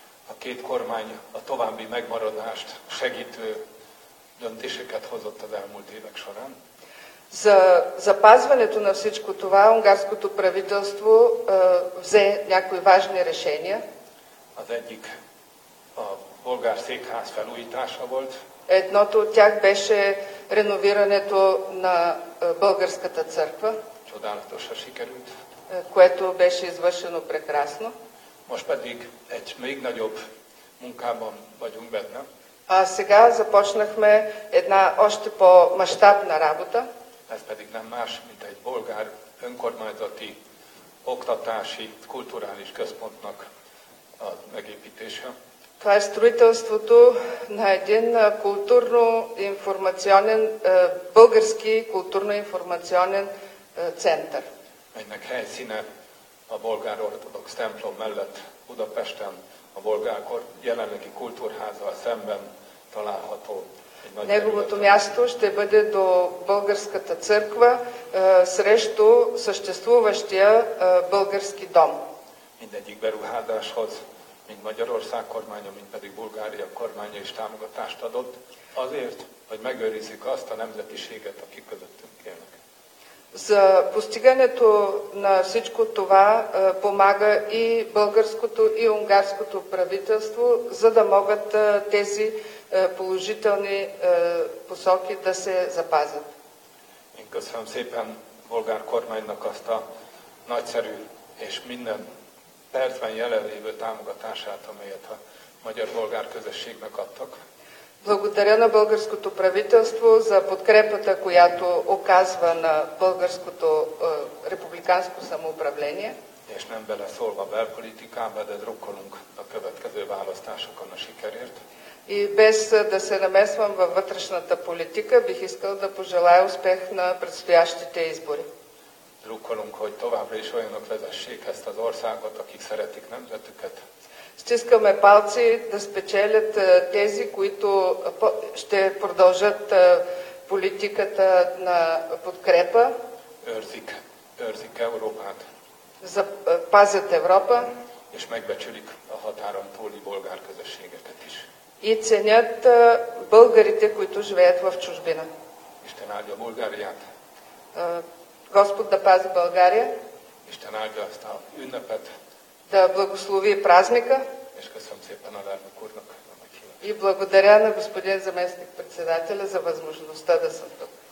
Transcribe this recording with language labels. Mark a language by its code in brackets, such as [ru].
[hu] A két kormány a további megmaradást segítő döntéseket hozott az elmúlt évek során. [bg] За запазването на всичко това унгарското правителство взе някои важни решения. [hu] Az egyik a bolgár székház felújítása volt. [bg] Едното от тях беше реновирането на българската църква. Чудесно [hu] sikerült. [bg] Което беше извършено прекрасно. [hu] Most pedig egy még nagyobb munkában vagyunk benne. [bg] А сега започнахме една още по-масштабна работа. [hu] Ez pedig nem más, mint egy bolgár önkormányzati, oktatási, kulturális központnak a megépítése. [bg] Това е строителството на един културно-информационен, български културно-информационен център. [hu] Melynek helyszíne a bolgár ortodox templom mellett Budapesten, a bolgár jelenlegi kultúrházal szemben található. [bg] Неговото място ще бъде до българската църква срещу съществуващия български дом. [hu] Mindegyik beruházáshoz, mint Magyarország kormánya, mint pedig Bulgária kormánya is támogatást adott, azért, hogy megőrizzük azt a nemzetiséget, akik közöttünk élnek. [bg] За постигането на всичко това помага и българското, и унгарското правителство, за да могат тези положителни посоки да се запазят. [hu] Én köszönöm szépen bolgár kormánynak azt a nagyszerű és minden percben jelenlévő támogatását, amelyet a magyar bolgár közösségnek adtak. [bg] Благодаря на българското правителство за подкрепата, която оказва на българското републиканско самоуправление. [hu] És nem beleszólva belpolitikába, de drukkolunk a következő választásokon a sikerért. [bg] И без да се намесвам във вътрешната политика, бих искал да пожелая успех на предстоящите избори. [hu] Drukkolunk, hogy továbbra is olyanok vezessék ezt az országot, akik szeretik nemzetüket. [bg] Стискаме палци да спечелят тези, които ще продължат политиката на подкрепа. [hu] Őrzik Európát. [bg] Запазят Европа. [hu] És megbecsülik a határon túli bolgár közösségeket is. [bg] И ценят българите, които живеят в чужбина. [hu] Isten áldja Bulgáriát. [bg] Господ да пази България. [hu] Isten áldja ezt a ünnepet. [bg] Да благослови празника. [hu] És köszönöm szépen a lelnök úrnak a meghívást. [bg] И благодаря на господин заместник-председателя за възможността да съм тук.